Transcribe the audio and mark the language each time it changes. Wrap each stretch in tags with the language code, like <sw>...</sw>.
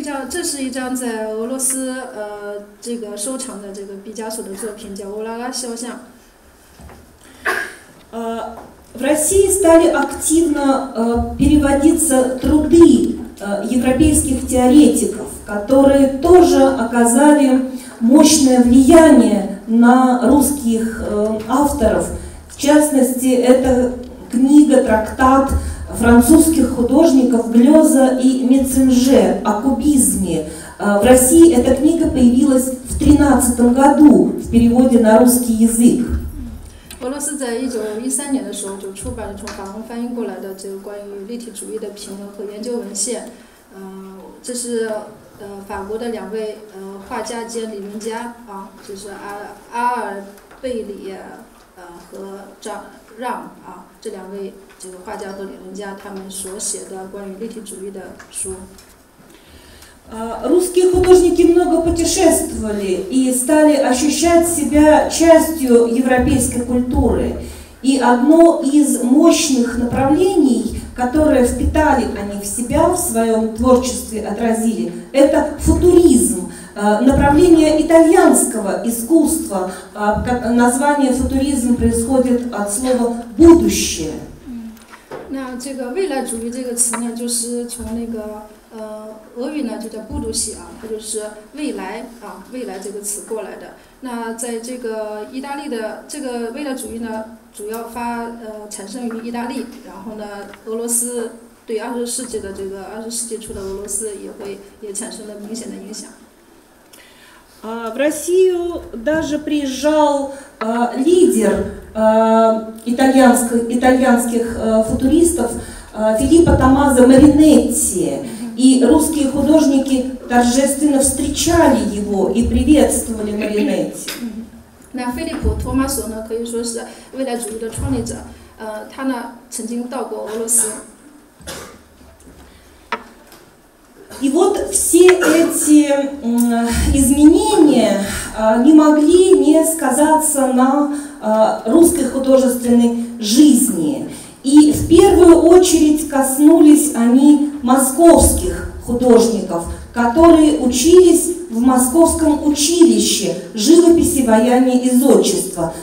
<zh>这是一张在俄罗斯这个收藏的这个毕加索的作品，叫《乌拉拉肖像》。</zh> <ru>В России стали активно переводиться труды европейских теоретиков, которые тоже оказали мощное влияние на русских авторов. В частности, это книга, трактат французских художников Глёза и Мецинже о кубизме. В России эта книга появилась в 13 году в переводе на русский язык.</ru> <zh>俄罗斯在1913年的时候就出版了从法国翻译过来的这个关于立体主义的评论和研究文献。这是法国的两位画家兼理论家啊，就是阿尔贝里和张让啊，这两位这个画家和理论家他们所写的关于立体主义的书。</zh> <ru>Русские художники много путешествовали и стали ощущать себя частью европейской культуры. И одно из мощных направлений, которое впитали они в себя, в своем творчестве отразили, это футуризм, направление итальянского искусства. Название футуризм происходит от слова «будущее».</ru> <zh>那这个未来主义这个词呢，就是从那个俄语呢就叫 budusi 啊，它就是未来啊，未来这个词过来的。那在这个意大利的这个未来主义呢，主要产生于意大利，然后呢，俄罗斯对二十世纪初的俄罗斯也产生了明显的影响。</zh> <ru>В Россию даже приезжал лидер итальянских футуристов Филиппо Томмазо Маринетти, и русские художники торжественно встречали его и приветствовали Маринетти.</ru> <zh>那菲利普·托马索呢，可以说是未来主义的创立者，他呢曾经到过俄罗斯。</zh> <ru>И вот все эти изменения не могли не сказаться на русской художественной жизни. И в первую очередь коснулись они московских художников, которые учились в московском училище живописи, ваяния и зодчества.</ru>